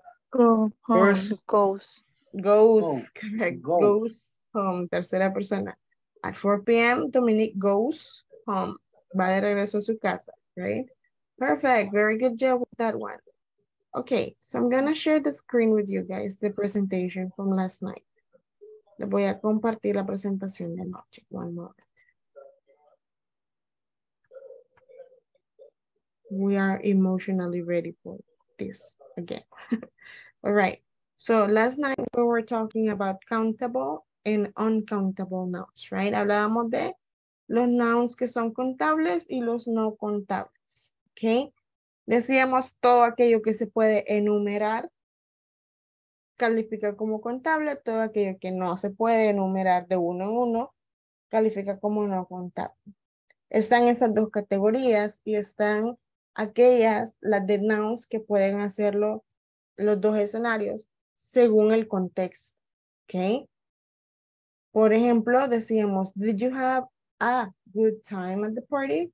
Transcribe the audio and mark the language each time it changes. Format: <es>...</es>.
<en>Goes home.</en> <es>Tercera persona.</es> <en>At 4 p.m., Dominique goes home.</en> <es>Va de regreso a su casa,</es> <en>right? Perfect. Very good job with that one. Okay, so I'm going to share the screen with you guys, the presentation from last night.</en> <es>Le voy a compartir la presentación de noche.</es> <en>One moment. We are emotionally ready for this again. All right. So last night we were talking about countable and uncountable nouns, right?</en> <es>Hablábamos de los nouns que son contables y los no contables, okay? Decíamos todo aquello que se puede enumerar califica como contable, todo aquello que no se puede enumerar de uno en uno califica como no contable. Están esas dos categorías y están aquellas, las de nouns, que pueden hacerlo los dos escenarios según el contexto, okay? Por ejemplo, decíamos,</es> <en>did you have a good time at the party?</en>